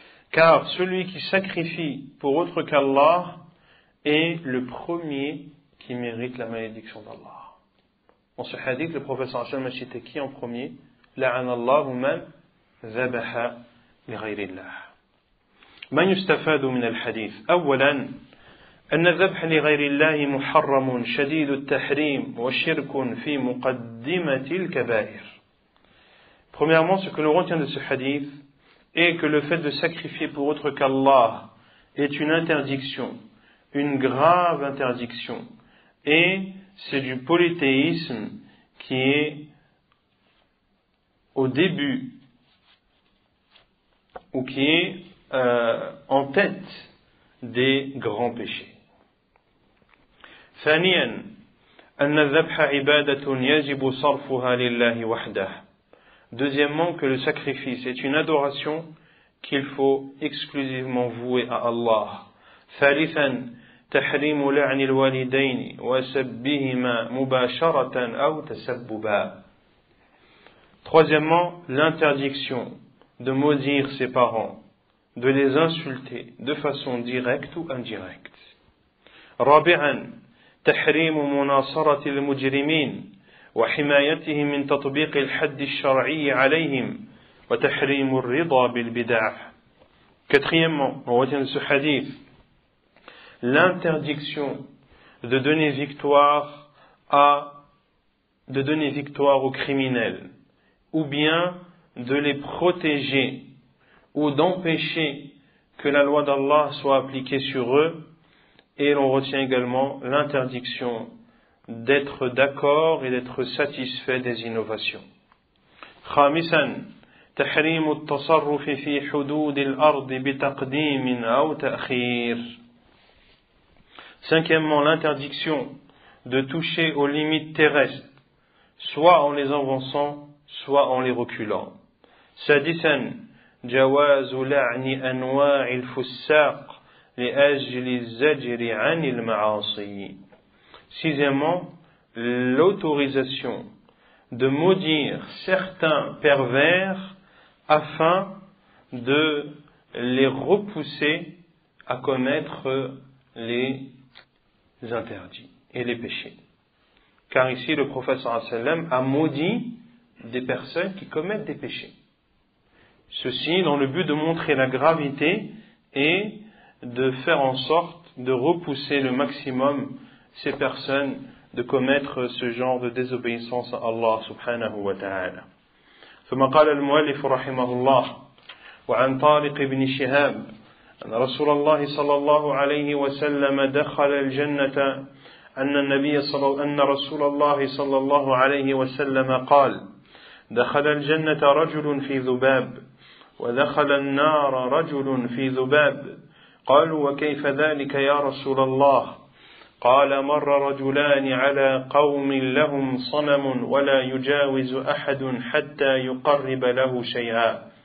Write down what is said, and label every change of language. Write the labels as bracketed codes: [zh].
[fr] Car celui qui sacrifie pour autre qu'Allah est le premier qui mérite la malédiction d'Allah. Dans ce hadith, le prophète [ar] sallallahu alayhi wa sallam [fr] a cité qui en premier ? [ar] La'an Allah [fr] ou même [ar] Zabaha li ghayrillah. ما يستفاد من الحديث أولا أن الذبح لغير الله محرم شديد التحريم وشرك في مقدمة الكبائر. [fr] Premièrement, ce que l'on retient de ce hadith est que le fait de sacrifier pour autre qu'Allah est une interdiction, une grave interdiction, et c'est du polythéisme qui est au début ou qui est en tête des grands péchés. [ar] ثانيا أن الذبح عبادة يجب صرفها لله وحده. [fr] Deuxièmement, que le sacrifice est une adoration qu'il faut exclusivement vouer à Allah. [ar] ثالثا تحريم لعن الوالدين وسبهما مباشرة أو تسببا. [fr] Troisièmement, l'interdiction de maudire ses parents, de les insulter de façon directe ou indirecte. [ar] رابعا تحريم مناصرة المجرمين وحمايتهم من تطبيق الحد الشرعي عليهم وتحريم الرضا بالبدع. [fr] Quatrièmement, on retient ce hadith, l'interdiction de donner victoire à de donner victoire aux criminels, ou bien de les protéger, ou d'empêcher que la loi d'Allah soit appliquée sur eux, et l'on retient également l'interdiction d'être d'accord et d'être satisfait des innovations. [ar] خامساً تحريم التصرف في حدود الأرض بتقديم أو تأخير. [fr] Cinquièmement, l'interdiction de toucher aux limites terrestres, soit en les avançant, soit en les reculant. [ar] سادساً جواز لعن أنواع الفساق لأجل الزجر عن المعاصي. [fr] Sixièmement, l'autorisation de maudire certains pervers afin de les repousser à commettre les interdits et les péchés. Car ici, le prophète sallam a maudit des personnes qui commettent des péchés. Ceci dans le but de montrer la gravité et de faire en sorte de repousser le maximum ces personnes de commettre ce genre de désobéissance à Allah [ar] subhanahu wa ta'ala. ثم قال المؤلف رحمه الله وعن طارق بن شهاب أن رسول الله صلى الله عليه وسلم دخل الجنة أن رسول الله صلى الله عليه وسلم قال دخل الجنة رجل في ذباب ودخل النار رجل في ذباب قالوا وكيف ذلك يا رسول الله قال مر رجلان على قوم لهم صنم ولا يجاوز أحد حتى يقرب له شيئا